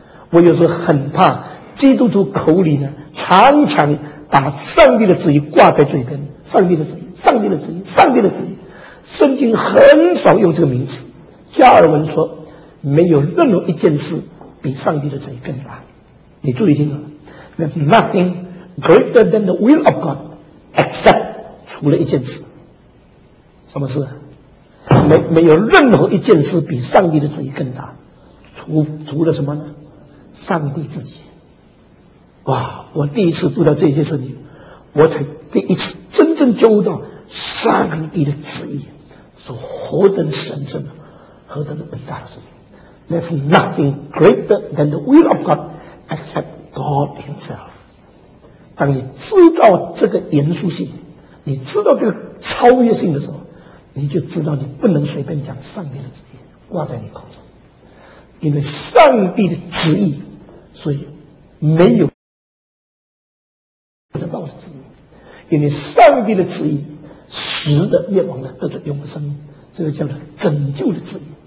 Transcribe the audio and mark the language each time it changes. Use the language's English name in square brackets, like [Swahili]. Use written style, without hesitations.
[Chinese] 我有时候很怕基督徒口里呢常常把上帝的旨意挂在嘴边，上帝的旨意，上帝的旨意，上帝的旨意。圣经很少用这个名词。加尔文说，没有任何一件事比上帝的旨意更大。你注意听了， [English] There's nothing greater than the will of God except [Chinese] 除了一件事。什么事？没有任何一件事比上帝的旨意更大，除了什么呢？上帝自己。哇，我第一次读到这些圣经，我才第一次真正觉悟到上帝的旨意是何等神圣，何等伟大的事情。 [English] There's nothing greater than the will of God except God himself。 [Chinese] 当你知道这个严肃性，你知道这个超越性的时候，你就知道你不能随便讲上帝的旨意挂在你口中，因为上帝的旨意，所以没有得到的旨意，因为上帝的旨意使得灭亡的得着永生，这个叫做拯救的旨意。